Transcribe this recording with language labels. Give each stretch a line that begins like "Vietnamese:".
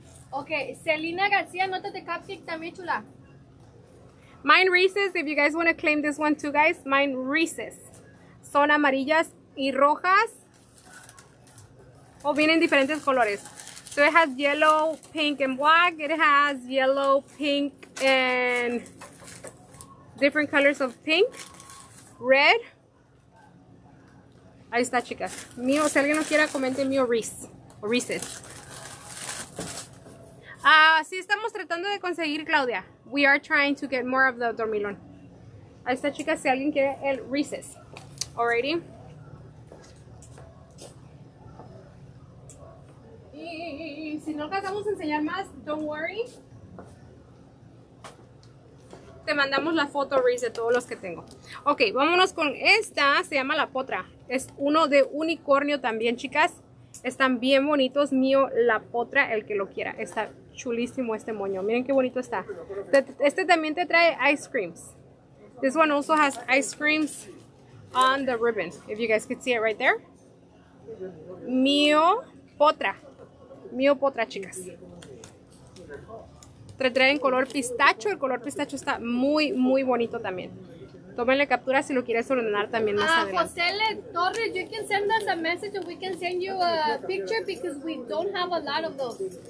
Spanish: Ok, Selena García, nota de Cupcake también chula.
English: Mine Reese's, if you guys want to claim this one too, guys.
Spanish: Mine Reese's. Son amarillas y rojas. O vienen diferentes colores.
English: So it has yellow, pink, and black. It has yellow, pink, and different colors of pink. Red.
Spanish: Ahí está, chicas. Mío, si alguien no quiera, comente mío Reese. O Reese's. Sí, estamos tratando de conseguir, Claudia.
English: We are trying to get more of the dormilón.
Spanish: Ahí está, chicas, si alguien quiere el Reese's. Alrighty. Y si no alcanzamos a enseñar más,
English: don't worry.
Spanish: Te mandamos la foto, Reese, de todos los que tengo. Ok, vámonos con esta. Se llama La Potra. Es uno de unicornio también, chicas. Están bien bonitos. Mío, La Potra, el que lo quiera. Está chulísimo este moño. Miren qué bonito está. Este también te trae ice creams.
English: This one also has ice creams on the ribbon. If you guys could see it right there.
Spanish: Mío Potra. Mío Potra, chicas. Te trae en color pistacho. El color pistacho está muy, muy bonito también. Tómenle captura si lo quieres ordenar también más adelante.
English: José L. Torres, you can send us a message and we can send you a picture because we don't have a lot of those.